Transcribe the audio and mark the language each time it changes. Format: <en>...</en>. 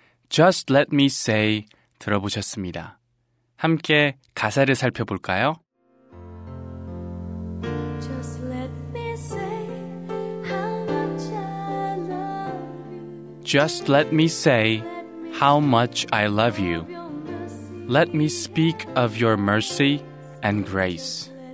<ko>Just Let Me Say 들어보셨습니다. 함께 가사를 살펴볼까요?</ko> <en>Just let me say how much I love you. Just let me say how much I love you. Let me speak of your mercy and grace.</en>